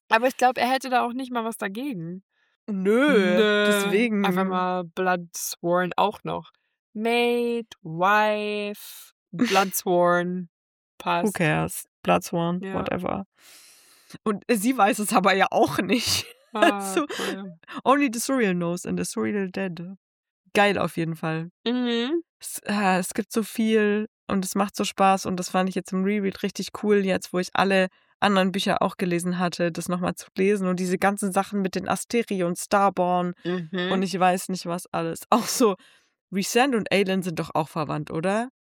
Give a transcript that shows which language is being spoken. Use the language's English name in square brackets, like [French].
[German] Aber ich glaube, er hätte da auch nicht mal was dagegen. Nö, deswegen... Einfach mal Bloodsworn auch noch. Mate, Wife, Bloodsworn, passt. [English] Who cares? Bloodsworn, ja. Whatever. [German] Und sie weiß es aber ja auch nicht. Ah, so, cool. [English] Only the Surreal knows and the Surreal dead. [German] Geil auf jeden Fall. Mhm. Es gibt so viel und es macht so Spaß und das fand ich jetzt im Reread richtig cool, jetzt wo ich alle anderen Bücher auch gelesen hatte, das nochmal zu lesen und diese ganzen Sachen mit den Asteri und Starborn und ich weiß nicht was alles. Auch so, Resent und Aelin sind doch auch verwandt, oder?